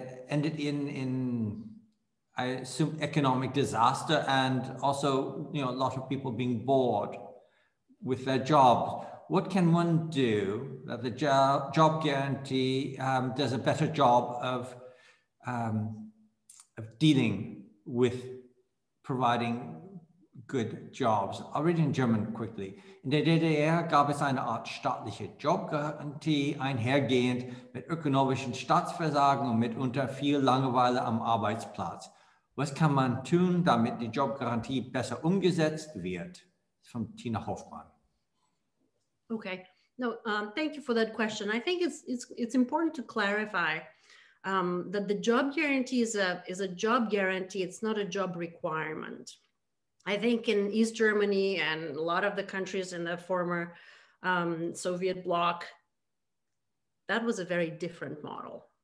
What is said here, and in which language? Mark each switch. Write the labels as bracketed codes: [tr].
[en] ended in I assume economic disaster, and also a lot of people being bored with their jobs. What can one do that the job guarantee does a better job of dealing with providing good jobs? I'll read in German quickly. [de] In der DDR gab es eine Art staatliche Jobgarantie einhergehend mit ökonomischen Staatsversagen und mitunter viel Langeweile am Arbeitsplatz. Was kann man tun, damit die Jobgarantie besser umgesetzt wird? Von Tina Hoffmann. [en] Okay. No, thank you for that question. I think it's important to clarify that the job guarantee is a job guarantee. It's not a job requirement. I think in East Germany and a lot of the countries in the former Soviet bloc, that was a very different model.